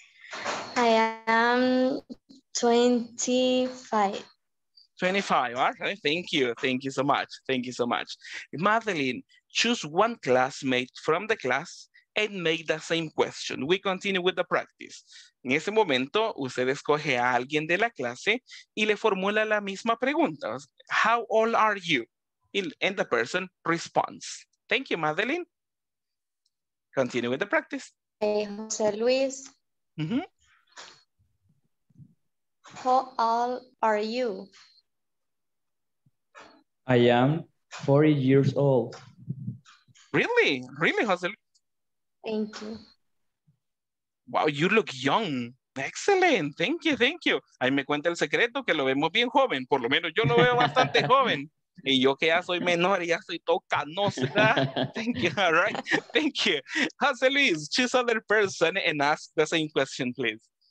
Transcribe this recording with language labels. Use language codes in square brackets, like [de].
[en] I I am 25. 25, all right, thank you. Thank you so much, thank you so much. Madeline, choose one classmate from the class and make the same question. We continue with the practice. [es] En ese momento, usted escoge a alguien de la clase y le formula la misma pregunta. [en] How old are you? And the person responds. Thank you, Madeline. Continue with the practice. Hey, Jose Luis. Mm-hmm. How old are you? I am 40 years old. Really? Really, Jose Luis? Thank you. Wow, you look young. Excellent. Thank you, thank you. [es] Ahí me cuenta el secreto que lo vemos bien joven. Por lo menos yo lo veo bastante joven. Y yo que ya soy menor y ya soy todo canoso. [en] Thank you, all right. Thank you. Jose Luis, choose other person and ask the same question, please.